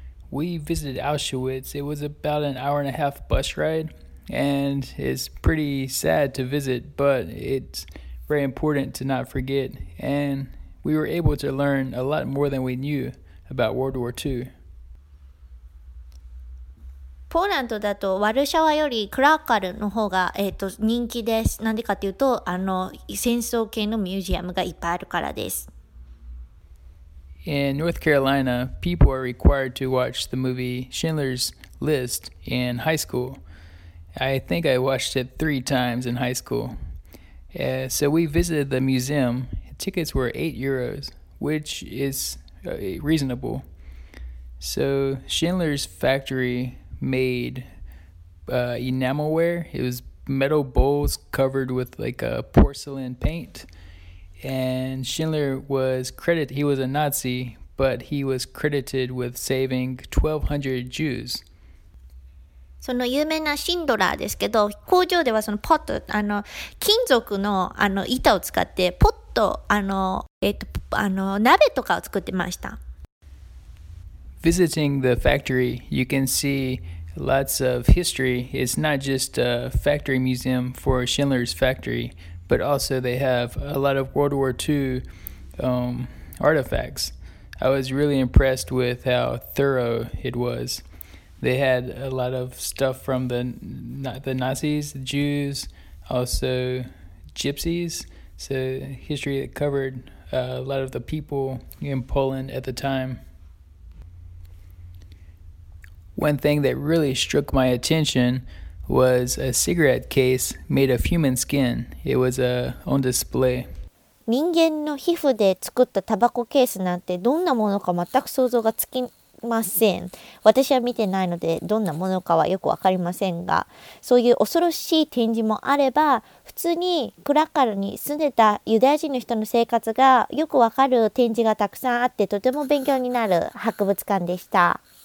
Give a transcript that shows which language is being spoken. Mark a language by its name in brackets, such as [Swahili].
[English] We visited Auschwitz. It was about an hour and a half bus ride, and it's pretty sad to visit, but it's... very important to not forget, and we were able to learn a lot more than we knew about World War II. [Japanese] ポーランドだとワルシャワよりクラカルの方が、人気です。なんでかというと、あの戦争系のミュージアムがいっぱいあるからです。 [English] In North Carolina, people are required to watch the movie Schindler's List in high school. I think I watched it 3 times in high schoolSo we visited the museum. Tickets were 8 euros, which is reasonable. So Schindler's factory made enamelware. It was metal bowls covered with like a porcelain paint. And Schindler was credited, he was a Nazi, but he was credited with saving 1,200 Jews. [Japanese] その有名なシンドラーですけど、工場ではそのポット、あの金属の、あの板を使ってポット、鍋とかを作ってました。 [English] Visiting the factory, you can see lots of history. It's not just a factory museum for Schindler's factory, but also they have a lot of World War II artifacts. I was really impressed with how thorough it was. They had a lot of stuff from the Nazis, the Jews, also Gypsies. So history that covered a lot of the people in Poland at the time. One thing that really struck my attention was a cigarette case made of human skin. It was on display. [Japanese] 人間の皮膚で作ったタバコケースなんてどんなものか全く想像がつきません。私は見てないのでどんなものかはよくわかりませんが、そういう恐ろしい展示もあれば、普通にクラッカルに住んでたユダヤ人の人の生活がよくわかる展示がたくさんあって、とても勉強になる博物館でした。